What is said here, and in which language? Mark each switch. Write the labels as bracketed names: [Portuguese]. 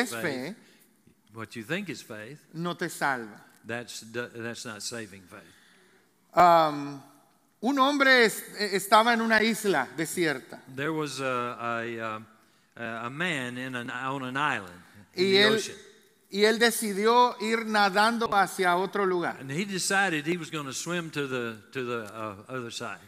[English] is faith. What you think is faith. [Spanish] No te salva. [English] That's not saving faith. [Spanish] Un hombre estaba en una isla desierta. [English] There was a man on an island in [Spanish] y [English] the [Spanish] él, [English] ocean. [Spanish] Y él decidió ir nadando hacia otro lugar. [English] And he decided he was going to swim to the other side.